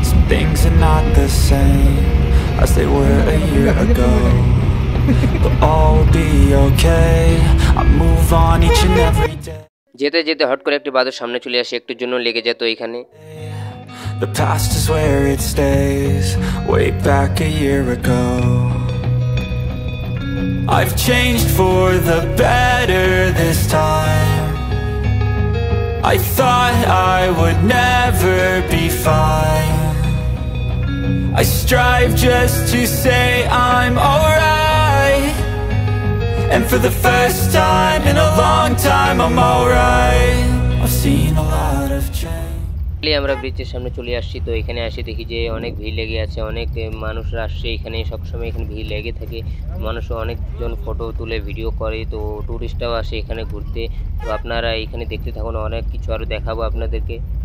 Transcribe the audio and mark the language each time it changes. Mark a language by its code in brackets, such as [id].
[en] Things are not the same as they were a year ago. But all will be okay. I move on each and every day. [bn] যেতে যেতে hot করে একটি বাদর সামনে চলে আসে, একটু জন্য লেগে যেত এখানে। [en] The past is where it stays, way back a year ago. I've changed for the better this time. I thought I would never be fine. I strive just to say I'm alright. And for the first time in a long time I'm alright. I've seen a lot of change. [bn] আমরা ব্রিজের সামনে চলে আসছি। তো এখানে আসি দেখি যে অনেক ভিড় লেগে আছে, অনেক মানুষ আসছে এখানে, সবসময় এখানে ভিড় লেগে থাকে। মানুষ অনেকজন ফটো তুলে ভিডিও করে, তো টুরিস্টরাও আসে এখানে ঘুরতে। তো আপনারা এখানে দেখতে থাকুন, অনেক কিছু আরও দেখাবো আপনাদেরকে।